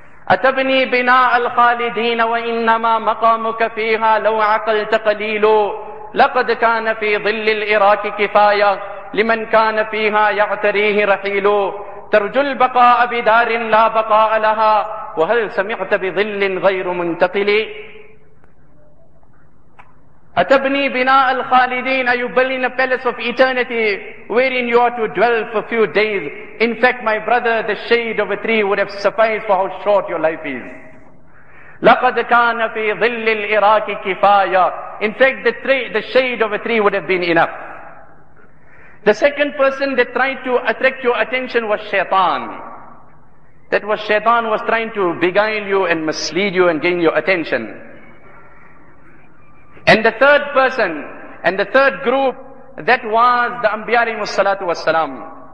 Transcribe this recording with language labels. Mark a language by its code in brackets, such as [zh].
[ar] أتبني بناء الخالدين وإنما مقامك فيها لو عقلت قليل لقد كان في ظل الإراك كفاية لمن كان فيها يعتريه رحيل ترجو البقاء بدار لا بقاء لها وهل سمعت بظل غير منتقل. أتبني بناء الخالدين. [en] Are you building a palace of eternity wherein you are to dwell for a few days? In fact, my brother, the shade of a tree would have sufficed for how short your life is. [ar] لقد كان في ظل الإراك كفاية. [en] In fact, the shade of a tree would have been enough. The second person that tried to attract your attention was Shaitan. That was Shaitan was trying to beguile you and mislead you and gain your attention. And the third person, and the third group, that was the Anbiya alayhi salatu was salam.